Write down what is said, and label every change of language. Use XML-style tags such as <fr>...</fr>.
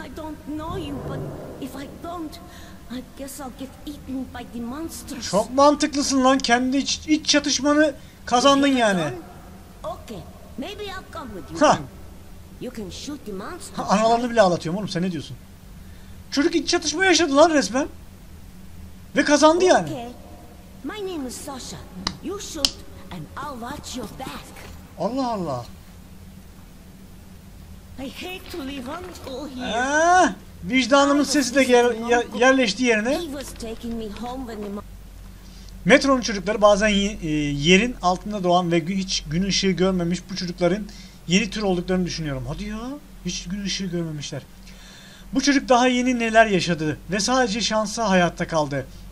<en>I don't know you but if I don't I guess I'll get eaten by the monsters.</en> <tr>Çok mantıklısın lan. Kendi iç çatışmanı kazandın yani.</tr> <en>Okay. Maybe I'll come with you. Ha. You can shoot the monsters.</en> <tr>Analarını bile ağlatıyorum oğlum. Sen ne diyorsun? Çocuk iç çatışma yaşadı lan resmen. Ve kazandı yani. Okay.</tr> <en>My name is Sasha. You shoot and I'll watch your back. Allah Allah. I hate to leave uncle here.</en> <tr>Vicdanımın sesi de yerleşti yerine.</tr> <en>He was taking me home when</en> <tr>Metro'nun çocukları bazen yerin altında doğan ve hiç gün ışığı görmemiş bu çocukların yeni tür olduklarını düşünüyorum. Hadi ya. Hiç gün ışığı görmemişler. Bu çocuk daha yeni neler yaşadı ve sadece şansı hayatta kaldı.</tr>